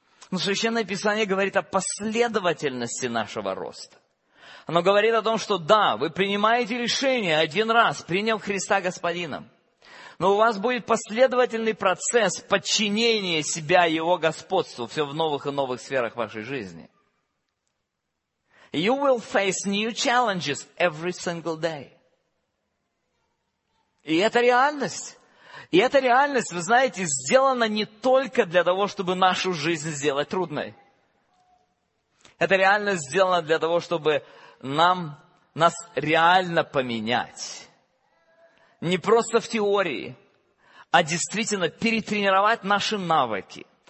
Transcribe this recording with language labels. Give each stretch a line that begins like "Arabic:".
Russian: Но Священное Писание говорит о последовательности нашего роста. Оно говорит о том, что да, вы принимаете решение один раз, приняв Христа Господином. Но у вас будет последовательный процесс подчинения себя Его господству все в новых и новых сферах вашей жизни.
English: You will face new challenges every single day.
Russian: И это реальность. И эта реальность, вы знаете, сделана не только для того, чтобы нашу жизнь сделать трудной. Эта реальность сделана для того, чтобы нас реально поменять. Не просто в теории, а действительно перетренировать наши навыки.